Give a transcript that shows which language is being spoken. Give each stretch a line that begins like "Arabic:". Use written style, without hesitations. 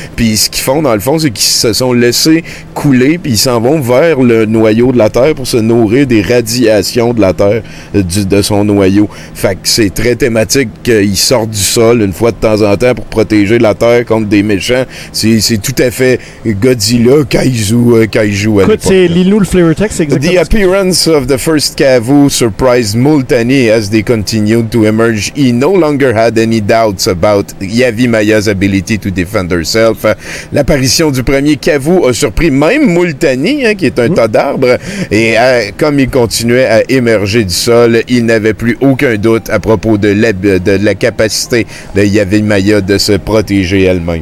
French: Puis ce qu'ils font, dans le fond, c'est qu'ils se sont laissés couler, puis ils s'en vont vers le noyau de la Terre pour se nourrir des radiations de la Terre, de son noyau. Fait que c'est très thématique qu'ils sortent du sol une fois de temps en temps pour protéger la Terre contre des méchants. C'est tout à fait Godzilla, kaiju. Écoute, c'est Lilou le flavor text, c'est exactement.
English: The appearance of the first Kavu surprised Multani as they continued to emerge. He no longer had any doubts about Yavimaya's ability to defend herself.
French: L'apparition du premier Kavu a surpris même Multani, hein, qui est un tas d'arbres. Et comme il continuait à émerger du sol, il n'avait plus aucun doute à propos de la capacité de Yavimaya de se protéger elle-même.